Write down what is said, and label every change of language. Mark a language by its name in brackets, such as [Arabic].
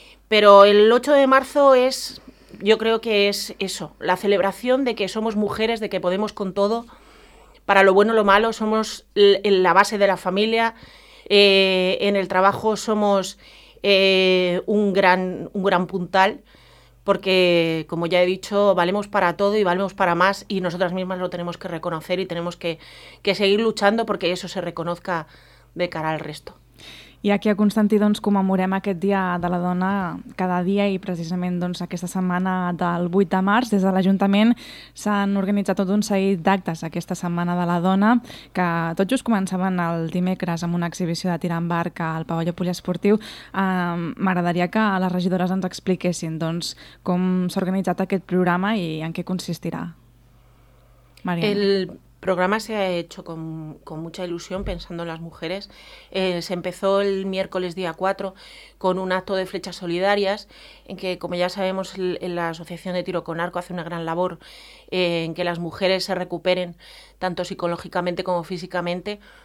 [Spanish] Pero el 8 de marzo es... Yo creo que es eso, la celebración de que somos mujeres, de que podemos con todo, para lo bueno o lo malo, somos la base de la familia, en el trabajo somos un gran puntal, porque, como ya he dicho, valemos para todo y valemos para más, y nosotras mismas lo tenemos que reconocer y tenemos que seguir luchando porque eso se reconozca de cara al resto. [Catalan] I aquí a Constantí doncs, commemorem aquest Dia de la Dona cada dia i precisament doncs, aquesta setmana del 8 de març des de l'Ajuntament s'han organitzat tot un seguit d'actes aquesta setmana de la dona que tot just començaven el dimecres amb una exhibició de tirant barc al pavelló poliesportiu. M'agradaria que les regidores ens expliquessin doncs, com s'ha organitzat aquest programa i en què consistirà. Mariana. [Spanish] El programa se ha hecho con mucha ilusión pensando en las mujeres. Se empezó el miércoles día 4 con un acto de flechas solidarias en que, como ya sabemos, la Asociación de Tiro con Arco hace una gran labor en que las mujeres se recuperen tanto psicológicamente como físicamente